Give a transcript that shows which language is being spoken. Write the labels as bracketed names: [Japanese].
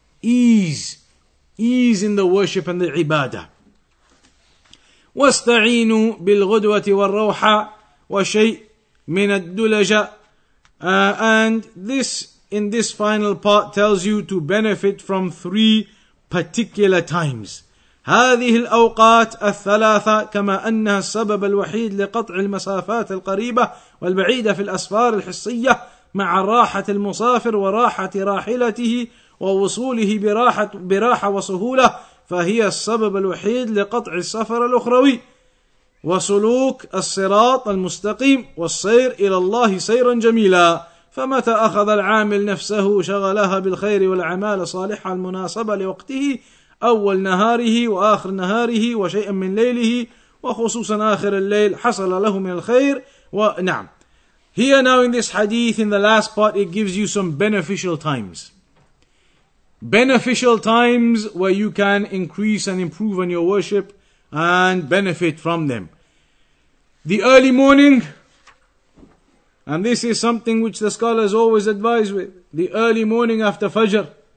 [English] Ease. Ease in the worship and the ibadah. [Arabic] وَاسْتَعِينُوا بِالْغُدْوَةِ وَالْرَوْحَ وَشَيْءٍ مِنَ الدُّلَجَةِ. [English] And this, in this final part, tells you to benefit from three particular times. [Arabic] هذه الأوقات الثلاثة كما أنها السبب الوحيد لقطع المسافات القريبة والبعيدة في الأسفار الحصية مع راحة المسافر وراحة راحلته ووصوله براحة وسهولة فهي السبب الوحيد لقطع السفر الأخروي وسلوك الصراط المستقيم والسير إلى الله سيرا جميلا فمتى أخذ العامل نفسه شغلها بالخير والعمال صالحة المناسبة لوقته أول نهاره وآخر نهاره وشيئا من ليله وخصوصا آخر الليل حصل له من الخير ونعم. [English] Here now in this hadith, in the last part, it gives you some beneficial times. Beneficial times where you can increase and improve on your worship and benefit from them. The early morning, and this is something which the scholars always advise with, the early morning after Fajr.